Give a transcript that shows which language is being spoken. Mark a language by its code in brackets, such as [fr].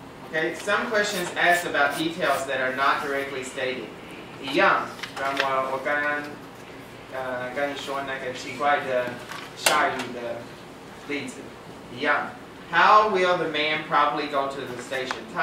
[en] Okay, some questions ask about details that are not directly stated. [zh] 一样，让我跟你说那个奇怪的下雨的例子。一样。 [en] How will the man probably go to the station?